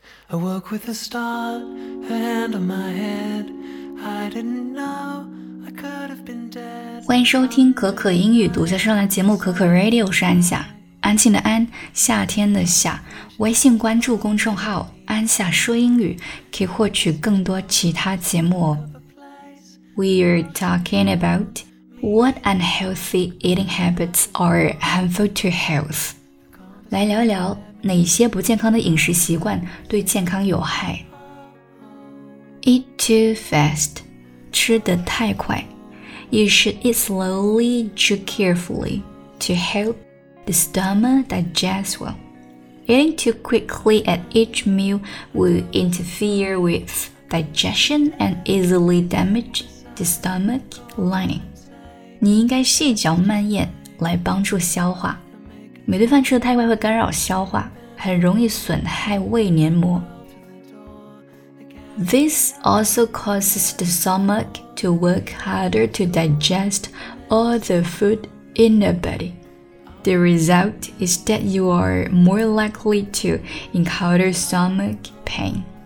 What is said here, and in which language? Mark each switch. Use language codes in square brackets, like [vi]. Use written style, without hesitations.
[en] I woke with a start, a hand on my head. I didn't know I could have been dead. [zh] 欢迎收听可可英语独家上的节目可可 Radio， 我是安夏，安静的安，夏天的夏。微信关注公众号安夏说英语，可以获取更多其他节目哦。 [en] We're talking about what unhealthy eating habits are harmful to health. [zh] 来聊聊哪些不健康的饮食习惯对健康有害。 [en] Eat too fast. [zh] 吃得太快。 [en] You should eat slowly to carefully to help the stomach digest well. Eating too quickly at each meal will interfere with digestion and easily damage the stomach lining. [zh] 你应该细嚼慢咽来帮助消化。每顿饭吃得太快会干扰消化，很容易损害胃黏膜。 [en] This also causes the stomach to work harder to digest all the food in the body. The result is that you are more likely to encounter stomach pain.